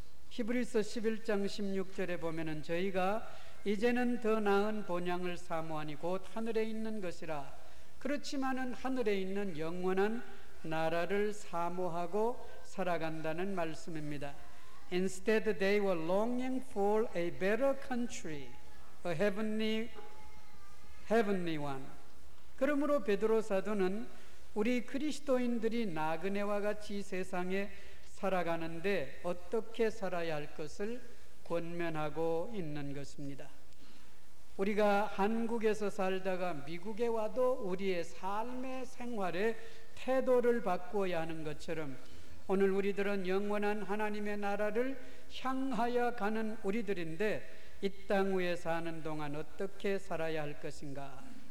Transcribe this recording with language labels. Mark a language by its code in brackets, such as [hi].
[ko] 히브리서 11장 16절에 보면은 저희가 이제는 더 나은 본향을 사모하니 곧 하늘에 있는 것이라 그렇지만은 하늘에 있는 영원한 나라를 사모하고 살아간다는 말씀입니다. [en] Instead they were longing for a better country. A heavenly one. [ko] 그러므로 베드로 사도는 우리 그리스도인들이 나그네와 같이 세상에 살아가는데 어떻게 살아야 할 것을 권면하고 있는 것입니다. 우리가 한국에서 살다가 미국에 와도 우리의 삶의 생활의 태도를 바꾸어야 하는 것처럼 오늘 우리들은 영원한 하나님의 나라를 향하여 가는 우리들인데 이 땅 위에 사는 동안 어떻게 살아야 할 것인가?